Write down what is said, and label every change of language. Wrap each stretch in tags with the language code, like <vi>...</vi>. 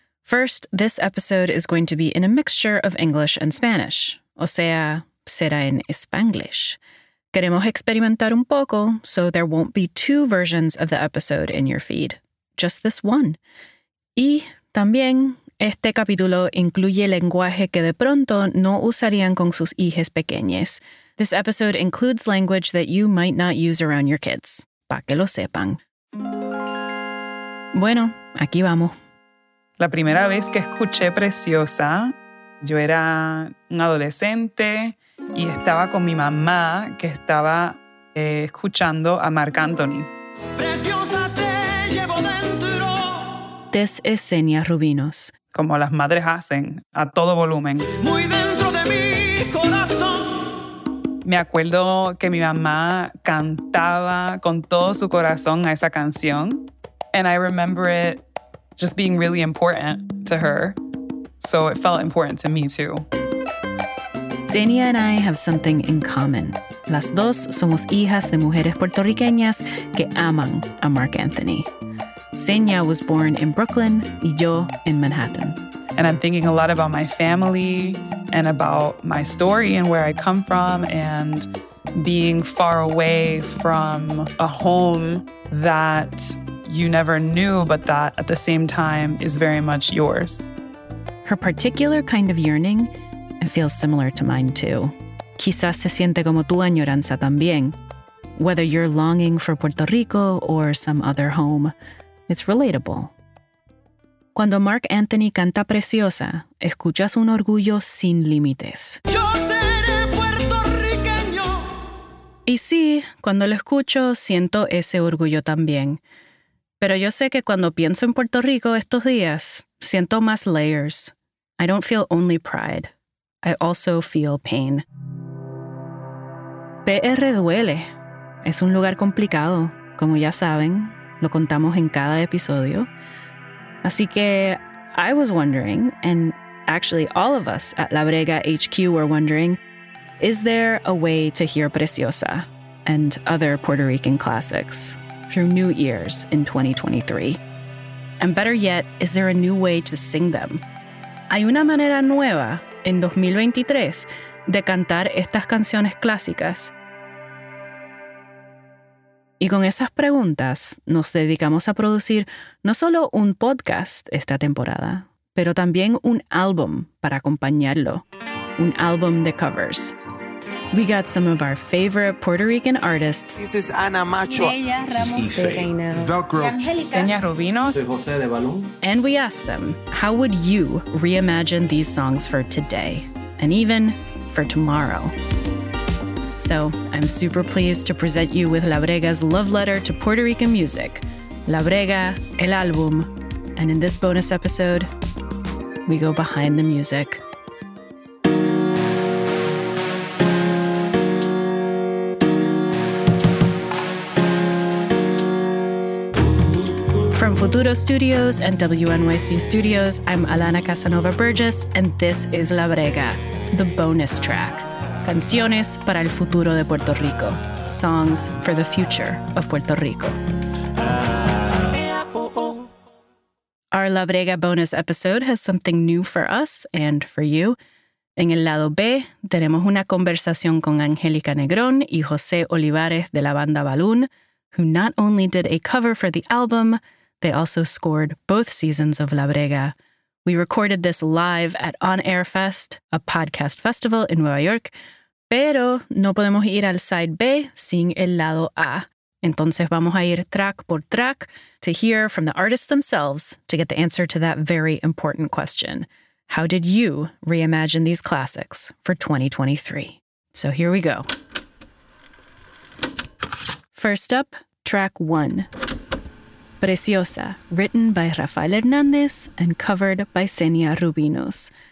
<en>First, this episode is going to be in a mixture of English and Spanish.</en> <es>O sea, será en Spanglish. Queremos experimentar un poco,</es> <en>so there won't be two versions of the episode in your feed. Just this one.</en> <es>Y también, este capítulo incluye lenguaje que de pronto no usarían con sus hijas pequeñas.</es> <en>This episode includes language that you might not use around your kids.</en> <es>Pa' que lo sepan. Bueno, aquí vamos. La primera vez que escuché Preciosa, yo era un adolescente y estaba con mi mamá que estaba escuchando a Marc Anthony. Preciosa te llevo dentro.</es> <en>This is Zenia Rubinos.</en> <es>Como las madres hacen, a todo volumen. Muy dentro de mi corazón. Me acuerdo que mi mamá cantaba con todo su corazón a esa canción.</es> <en>And I remember it just being really important to her. So it felt important to me too. Zenia and I have something in common.</en> <es>Las dos somos hijas de mujeres puertorriqueñas que aman a Marc Anthony.</es> <en>Zenia was born in Brooklyn</en> <es>y yo</es> <en>in Manhattan. And I'm thinking a lot about my family and about my story and where I come from and being far away from a home that you never knew, but that at the same time is very much yours. Her particular kind of yearning feels similar to mine too.</en> <es>Quizás se siente como tu añoranza también.</es> <en>Whether you're longing for Puerto Rico or some other home, it's relatable.</en> <es>Cuando Marc Anthony canta Preciosa, escuchas un orgullo sin límites. Yo seré puertorriqueño. Y sí, cuando lo escucho, siento ese orgullo también. Pero yo sé que cuando pienso en Puerto Rico estos días, siento más layers.</es> <en>I don't feel only pride. I also feel pain.</en> <es>PR duele. Es un lugar complicado. Como ya saben, lo contamos en cada episodio. Así que</es> <en>I was wondering, and actually all of us at La Brega HQ were wondering, is there a way to hear Preciosa and other Puerto Rican classics through new ears in 2023? And better yet, is there a new way to sing them?</en> <es>¿Hay una manera nueva en 2023 de cantar estas canciones clásicas? Y con esas preguntas, nos dedicamos a producir no solo un podcast esta temporada, pero también un álbum para acompañarlo, un álbum de covers.</es> <en>We got some of our favorite Puerto Rican artists. This is Ana Macho.</en> <es>Ella Ramos de Reina.</es> <en>It's Velcro. Angelica. Tenia Rubinos.</en> <es>Soy José de Balón.</es> <en>And we asked them, how would you reimagine these songs for today? And even for tomorrow? So, I'm super pleased to present you with La Brega's love letter to Puerto Rican music. La Brega, el álbum. And in this bonus episode, we go behind the music. Futuro Studios and WNYC Studios, I'm Alana Casanova Burgess, and this is La Brega, the bonus track.</en> <es>Canciones para el futuro de Puerto Rico.</es> <en>Songs for the future of Puerto Rico. Our La Brega bonus episode has something new for us and for you.</en> <es>En el lado B, tenemos una conversación con Angélica Negrón y José Olivares de la banda Balloon,</es> <en>who not only did a cover for the album, they also scored both seasons of La Brega. We recorded this live at On Air Fest, a podcast festival in Nueva York.</en> <es>Pero no podemos ir al side B sin el lado A. Entonces vamos a ir track por track</es> <en>to hear from the artists themselves to get the answer to that very important question. How did you reimagine these classics for 2023? So here we go. First up, track one. Preciosa, written by Rafael Hernández and covered by Zenia Rubinos.</en>